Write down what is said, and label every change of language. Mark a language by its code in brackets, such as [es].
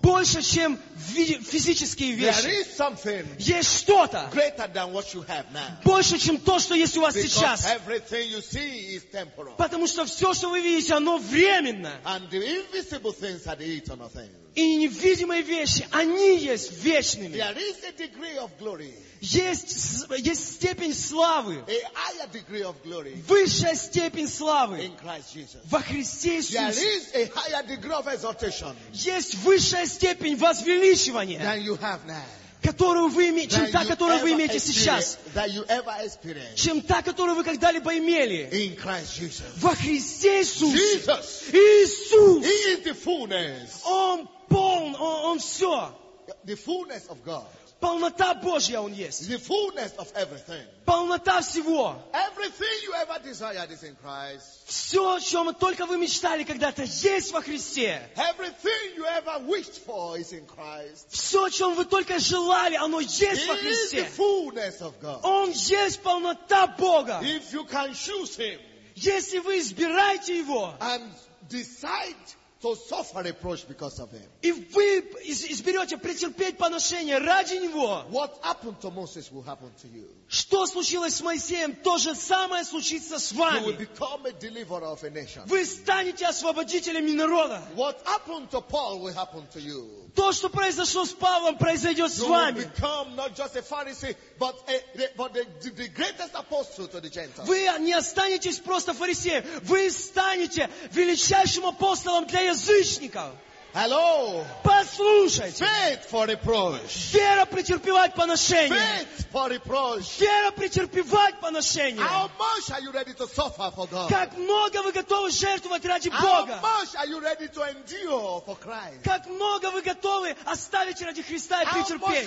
[ru] Больше, чем физические вещи. [en] There is something. [ru] Есть что-то. [en] Greater than what you have now. [ru] Больше, чем то, что есть у вас [en] Because [ru] сейчас. [en] Everything you see is temporal. [ru] Потому что все, что вы видите, оно временно. [en] And the invisible things are the eternal things. [ru] И невидимые вещи, они есть вечными. [en] There is a degree of glory. [ru] Есть степень славы. [en] A higher degree of glory. [ru] Высшая степень славы. [en] In Christ Jesus. [ru] Во Христе Иисусе. [en] There is a higher degree of exaltation. [ru] Есть высшая степень возвеличивания. [en] Than you have now. [ru] Которую вы имеете, чем та, которую вы имеете сейчас. [en] That you ever experienced. [ru] Чем та, которую вы когда-либо имели. [en] In Christ Jesus. [ru] Во Христе Иисусе. [en] Jesus. [ru] Иисус. [en] He is the fullness. [ru] Он полон, он все. [en] The fullness of God. [ru] Полнота Божья он есть. [en] The fullness of everything. [ru] Полнота всего. [en] Everything you ever desired is in Christ. [ru] Все, о чем только вы мечтали когда-то, есть во Христе. [en] Everything you ever wished for is in Christ. [ru] Все, о чем вы только желали, оно есть [en] He [ru] во Христе. [en] Is the fullness of God. [ru] Он есть полнота Бога. [en] If you can choose him, [ru] если вы избираете его [en] and decide to suffer reproach because of him. [ru] И вы изберете претерпеть поношение ради него. [en] What happened to Moses will happen to you. [ru] Что случилось с Моисеем, то же самое случится с вами. [en] You will become a deliverer of a nation. [ru] Вы станете освободителями народа. [en] What happened to Paul will happen to you. [ru] То, что произошло с Павлом, произойдет с вами. [en] You will become not just a Pharisee, but the greatest apostle to the Gentiles. [ru] Вы не останетесь просто фарисеем, вы станете величайшим апостолом для язычников. [en] Hello. [ru] Послушайте. [en] Faith for reproach. [ru] Вера претерпевать поношение. [en] Faith for reproach. [ru] Вера претерпевать поношение. [en] How much are you ready to suffer for God? [ru] Как много вы готовы жертвовать ради Бога? [en] How much are you ready to endure for Christ? [ru] Как много вы готовы оставить ради Христа и претерпеть?